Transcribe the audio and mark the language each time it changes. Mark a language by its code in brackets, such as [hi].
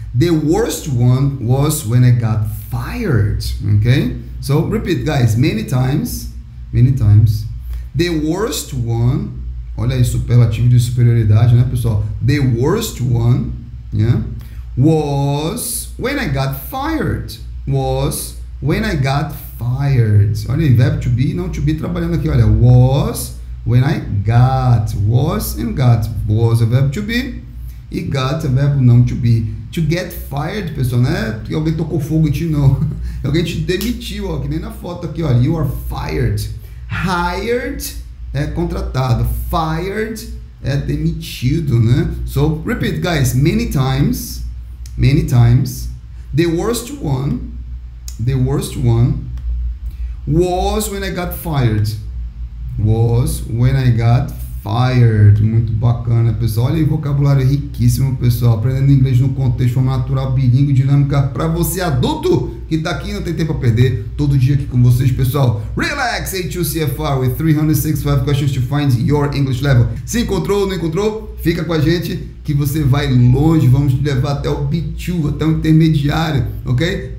[en] The worst one was when I got fired, okay? So, repeat, guys. Many times. Many times. The worst one. [pt] Olha aí, superlativo de superioridade, né, pessoal? [en] The worst one, yeah, was when I got fired. Was when I got fired. [pt] Olha aí, verbo to be, não to be trabalhando aqui. [en] Olha, was when I got. Was and got. [pt] Was a verbo to be. E got a verbo não to be. To get fired, pessoal, não é que alguém tocou fogo em ti, não. Alguém te demitiu, ó, que nem na foto aqui. [en] Olha, you are fired. Hired [pt] é contratado. Fired é demitido, né? [en] So, repeat, guys. Many times. Many times. The worst one. The worst one was when I got fired. Was when I got [pt] inspired. Muito bacana, pessoal. Olha aí, vocabulário riquíssimo, pessoal. Aprendendo inglês no contexto natural, bilíngue, dinâmica, para você adulto que tá aqui e não tem tempo a perder, todo dia aqui com vocês, pessoal. [en] Relax, H2CFR with 365 questions to find your English level. [pt] Se encontrou ou não encontrou, fica com a gente que você vai longe. Vamos te levar até o B2, até o intermediário, ok?